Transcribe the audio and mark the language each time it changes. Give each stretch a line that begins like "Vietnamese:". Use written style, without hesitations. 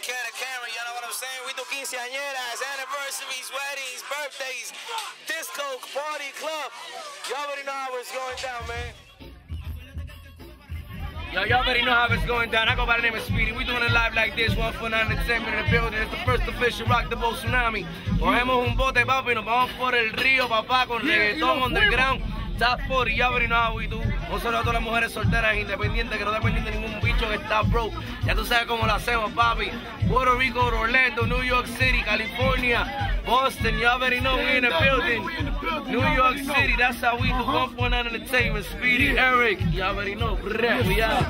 English: Canada Cameron, y'all know what I'm saying? We do quinceañeras, anniversaries, weddings, birthdays, disco, party, club. Y'all already know how it's going down, man. Yo, y'all already know how it's going down. I go by the name of Speedy. We doing it live like this, 149 Entertainment in the building. It's the first official Rock the Boat Tsunami.
Spanish: Cogemos un bote, papi, nos vamos por el río, papá, con reggaetón underground.
English: Top 40, y'all already know how we do.
Spanish: Un saludo a todas las mujeres solteras, independientes, que no dependen de ningún bicho que está broke. Ya tú sabes cómo lo hacemos, papi.
English: Puerto Rico, Orlando, New York City, California, Boston, y'all already know we in the building. New York City, that's how we do. 149 Entertainment, Speedy, Eric, y'all already know. Brr, we out.